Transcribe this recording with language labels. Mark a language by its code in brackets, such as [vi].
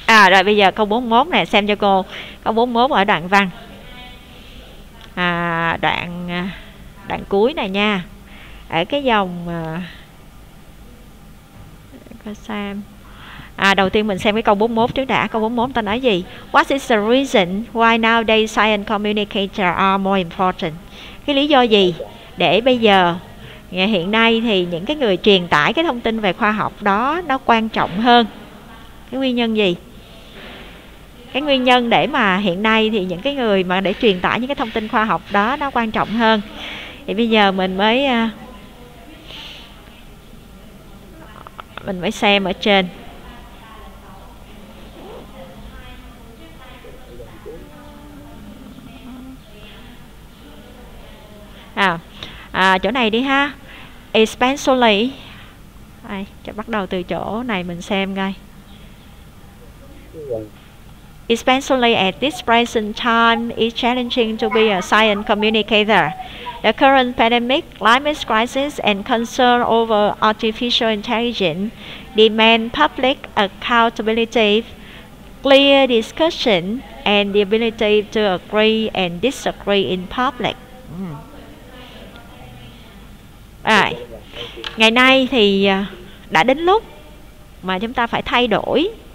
[vi] Rồi bây giờ câu 41 này xem cho cô. Câu 41 ở đoạn văn. Đoạn cuối này nha. Ở cái dòng xem. Đầu tiên mình xem cái câu 41 trước đã. Câu 41 ta nói gì? [en] What is the reason why nowadays science communicators are more important? [vi] Cái lý do gì để bây giờ hiện nay thì những cái người truyền tải cái thông tin về khoa học đó nó quan trọng hơn? Cái nguyên nhân gì? cái nguyên nhân để mà hiện nay thì những cái người mà để truyền tải những cái thông tin khoa học đó nó quan trọng hơn. Thì bây giờ mình mới xem ở trên. Chỗ này đi ha. Especially. Đây, cho bắt đầu từ chỗ này mình xem coi. [en] Especially at this present time, it's challenging to be a science communicator. The current pandemic, climate crisis, and concern over artificial intelligence demand public accountability, clear discussion, and the ability to agree and disagree in public. [vi] Ngày nay thì đã đến lúc mà chúng ta phải thay đổi.